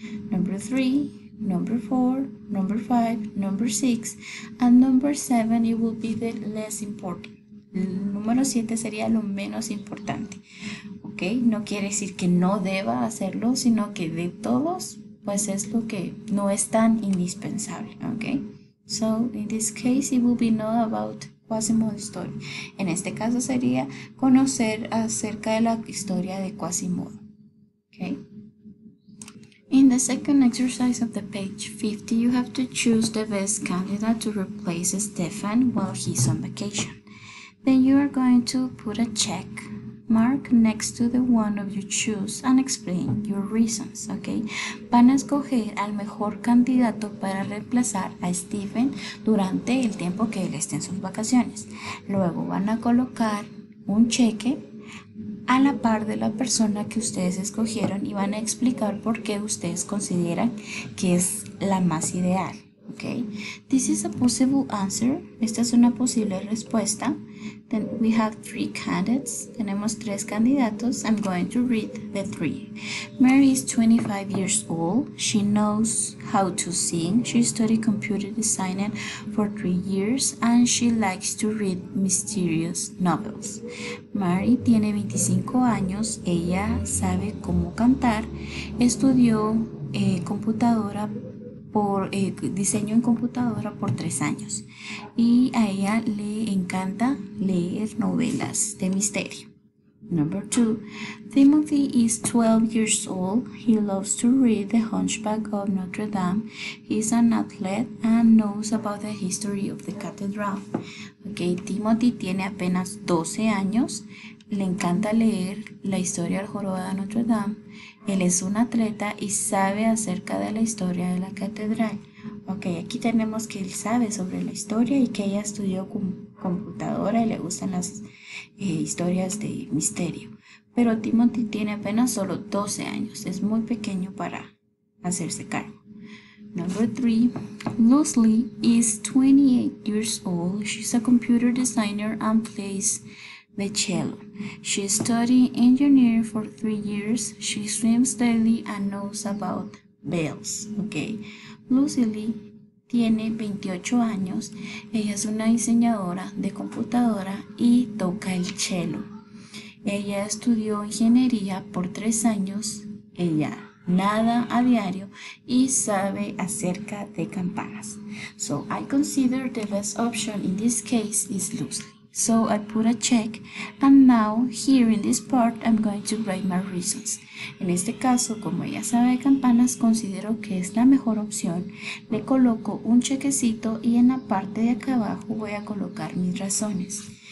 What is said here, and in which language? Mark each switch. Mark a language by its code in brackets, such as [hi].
[en] Number 3, number 4, number 5, number 6, and number 7, it will be the less important. [es] El número 7 sería lo menos importante, ¿ok? No quiere decir que no deba hacerlo, sino que de todos, pues es lo que no es tan indispensable, ¿ok? [en] So, in this case, it will be not about Quasimodo story. [es] En este caso sería conocer acerca de la historia de Quasimodo, ¿ok? [en] In the second exercise of the page 50, you have to choose the best candidate to replace Stefan while he's on vacation. Then you are going to put a check mark next to the one of you choose and explain your reasons, okay? [es] Van a escoger al mejor candidato para reemplazar a Stephen durante el tiempo que él esté en sus vacaciones. Luego van a colocar un cheque a la par de la persona que ustedes escogieron y van a explicar por qué ustedes consideran que es la más ideal. [en] Okay, this is a possible answer. [es] Esta es una posible respuesta. [en] Then we have three candidates. [es] Tenemos tres candidatos. [en] I'm going to read the three. Mary is 25 years old. She knows how to sing. She studied computer design for 3 years and she likes to read mysterious novels. [es] Mary tiene 25 años. Ella sabe cómo cantar. Estudió computadora. Por diseño en computadora por 3 años y a ella le encanta leer novelas de misterio. [en] Number 2. Timothy is 12 years old. He loves to read The Hunchback of Notre Dame. He's an athlete and knows about the history of the cathedral. [es] Okay, Timothy tiene apenas 12 años. Le encanta leer la historia del jorobado de Notre Dame. Él es un atleta y sabe acerca de la historia de la catedral. Ok, aquí tenemos que él sabe sobre la historia y que ella estudió computadora y le gustan las historias de misterio. Pero Timothy tiene apenas solo 12 años. Es muy pequeño para hacerse cargo. [en] Number 3, Lucy is 28 years old. She's a computer designer and plays the cello. She studied engineering for 3 years. She swims daily and knows about bells. Okay. [es] Lucy Lee tiene 28 años. Ella es una diseñadora de computadora y toca el cello. Ella estudió ingeniería por 3 años. Ella nada a diario y sabe acerca de campanas. [en] So I consider the best option in this case is Lucy. So I put a check, and now here in this part I'm going to write my reasons. [es] En este caso, como ella sabe de campanas, considero que es la mejor opción. Le coloco un chequecito y en la parte de acá abajo voy a colocar mis razones.